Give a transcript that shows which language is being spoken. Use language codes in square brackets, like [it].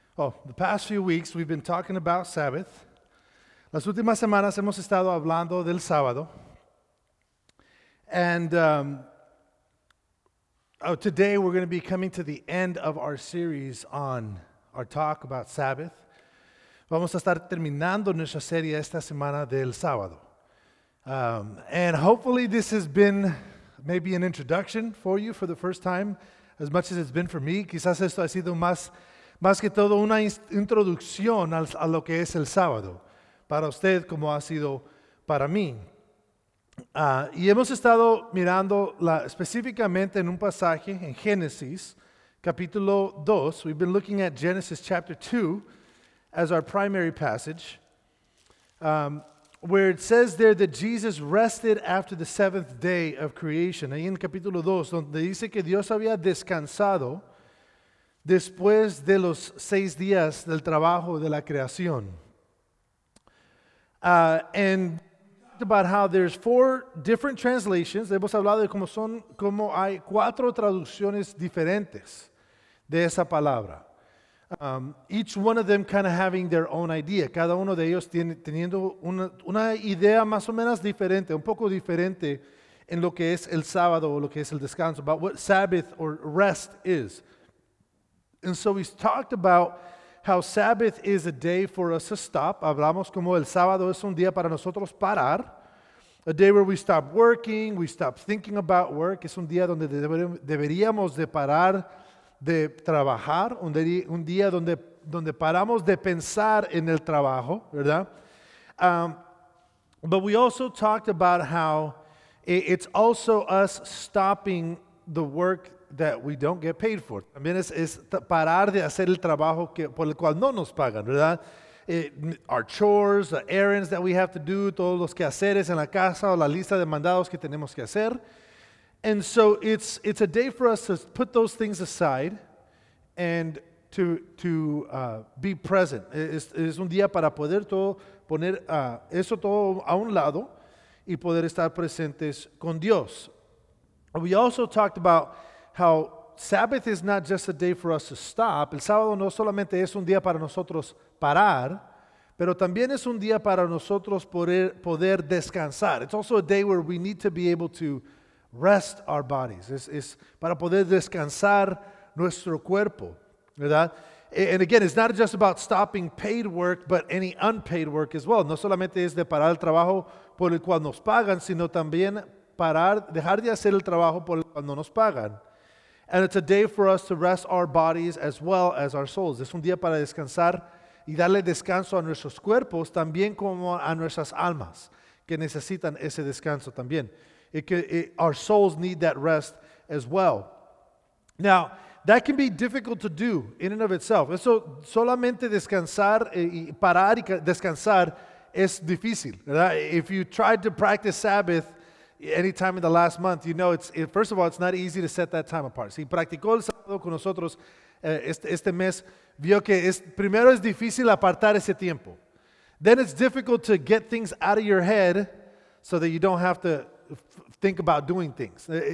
[en] Oh, the past few weeks we've been talking about Sabbath. [es] Las últimas semanas hemos estado hablando del sábado. [en] And today we're going to be coming to the end of our series on our talk about Sabbath. [es] Vamos a estar terminando nuestra serie esta semana del sábado. [en] And hopefully this has been maybe an introduction for you for the first time, as much as it's been for me. [es] Quizás esto ha sido más que todo una introducción a lo que es el sábado, para usted como ha sido para mí. Y hemos estado mirando específicamente en un pasaje en Génesis, capítulo 2. [en] We've been looking at Genesis chapter 2 as our primary passage, where it says there that Jesus rested after the seventh day of creation. [es] Ahí en capítulo 2, donde dice que Dios había descansado después de los seis días del trabajo de la creación. [en] And about how there's four different translations. [es] Hemos hablado de cómo hay cuatro traducciones diferentes de esa palabra. [en] Each one of them kind of having their own idea. [es] Cada uno de ellos teniendo una idea más o menos diferente, un poco diferente en lo que es el sábado o lo que es el descanso, [en] about what Sabbath or rest is. And so he's talked about how Sabbath is a day for us to stop. [es] Hablamos como el sábado es un día para nosotros parar. [en] A day where we stop working, we stop thinking about work. [es] Es un día donde deberíamos de parar de trabajar. Un día donde paramos de pensar en el trabajo, ¿verdad? [en] But we also talked about how it's also us stopping the work that we don't get paid for. [es] También es parar de hacer el trabajo por el cual no nos pagan, ¿verdad? [en] Our chores, the errands that we have to do, [es] todos los quehaceres en la casa, o la lista de mandados que tenemos que hacer. [en] And so it's a day for us to put those things aside and to be present. [es] Es un día para poder todo poner eso todo a un lado y poder estar presentes con Dios. [en] We also talked about how Sabbath is not just a day for us to stop. [es] El sábado no solamente es un día para nosotros parar, pero también es un día para nosotros poder descansar. [en] It's also a day where we need to be able to rest our bodies. [es] Es para poder descansar nuestro cuerpo, ¿verdad? [en] And again, it's not just about stopping paid work, but any unpaid work as well. [es] No solamente es de parar el trabajo por el cual nos pagan, sino también dejar de hacer el trabajo por el cual no nos pagan. [en] And it's a day for us to rest our bodies as well as our souls. [es] Es un día para descansar y darle descanso a nuestros cuerpos, también como a nuestras almas, que necesitan ese descanso también. [en] Our souls need that rest as well. Now, that can be difficult to do in and of itself. [es] Eso solamente descansar y parar y descansar es difícil, ¿verdad? [en] If you tried to practice Sabbath any time in the last month, you know, first of all, it's not easy to set that time apart. [es] Si practicó el sábado con nosotros este mes, vio que primero es difícil apartar ese tiempo. [en] Then it's difficult to get things out of your head so that you don't have to think about doing things.